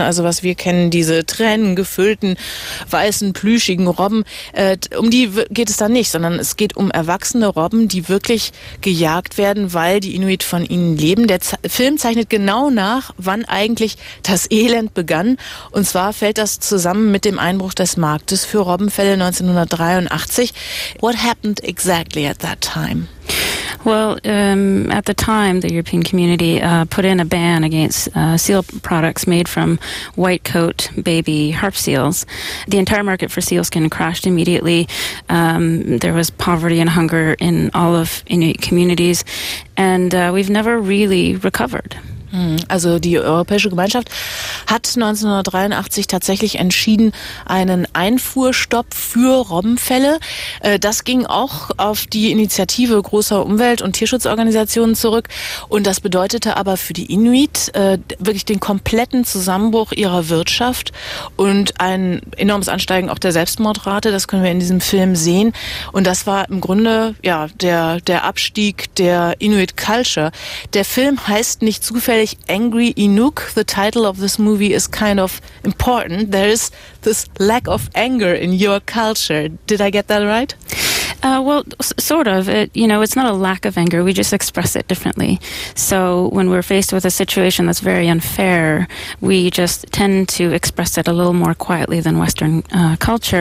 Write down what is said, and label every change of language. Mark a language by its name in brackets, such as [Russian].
[German] Also was wir kennen, diese tränengefüllten, weißen, plüschigen Robben, um die geht es dann nicht, sondern es geht um erwachsene Robben, die wirklich gejagt werden, weil die Inuit von ihnen leben. Der Film zeichnet genau nach, wann eigentlich das Elend begann. Und zwar fällt das zusammen mit dem Einbruch des Marktes für Robbenfelle 1983. [English] What happened exactly at that time? Well, at the time, the European community put in a ban against seal products made from white coat baby harp seals. The entire market for sealskin crashed immediately. There was poverty and hunger in all of Inuit communities, and we've never really recovered. [German] Also die Europäische Gemeinschaft hat 1983 tatsächlich entschieden, einen Einfuhrstopp für Robbenfelle. Das ging auch auf die Initiative großer Umwelt- und Tierschutzorganisationen zurück. Und das bedeutete aber für die Inuit wirklich den kompletten Zusammenbruch ihrer Wirtschaft und ein enormes Ansteigen auch der Selbstmordrate. Das können wir in diesem Film sehen. Und das war im Grunde ja der Abstieg der Inuit Culture. Der Film heißt nicht zufällig Angry Inuk. [English] The title of this movie is kind of important. There is this lack of anger in your culture. Did I get that right? Well, sort of. It's not a lack of anger. We just express it differently. So when we're faced with a situation that's very unfair, we just tend to express it a little more quietly than Western culture.